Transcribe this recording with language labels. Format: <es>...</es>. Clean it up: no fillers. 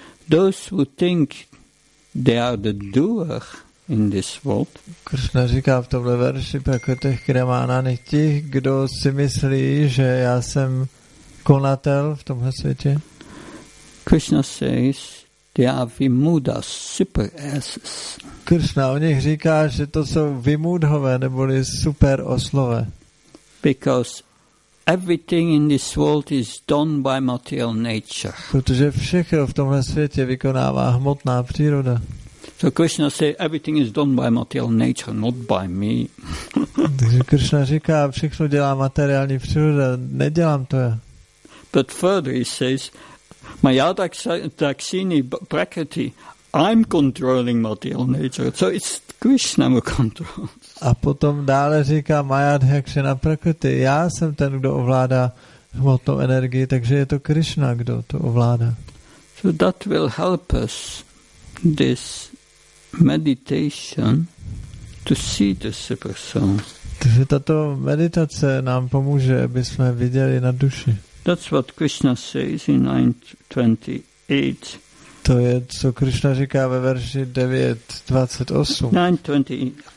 <en>Those who think they are the doer in this world.</en> <cs>Krishna říká v tomhle verši</cs> <sa>prakatiki kremanani</sa> <cs>těch, kdo si myslí, že já jsem konatel v tomhle světě.</cs> <en>Krishna says they are vimudas, super asses.</en> <cs>Krishna o nich říká, že to jsou vimudhové, neboli super oslové.</cs> <en>Because everything in this world is done by material nature.</en> <cs>Protože všechno v tomhle světě vykonává hmotná příroda.</cs> <en>So Krishna says everything is done by material nature, not by me.</en> <cs>Takže Krishna říká, všechno dělá materiální příroda, nedělám to já.</cs> <en>But further he says,</en> <sa>Mayadakshini Prakriti,</sa> <en>I'm controlling material nature. So it's Krishna who controls.</en> <cs>A potom dále říká</cs> <sa>Mayadakshina Prakriti,</sa> <cs>já jsem ten, kdo ovládá hmotnou energii, takže je to Krishna, kdo to ovládá.</cs> <en>So that will help us, this meditation, to see the super soul.</en> <cs>Takže tato meditace nám pomůže, aby jsme viděli na duši.</cs> <en>That's what Krishna says in 9:28.</en> <cs>To je, co Krishna říká ve verši 9:28.</cs>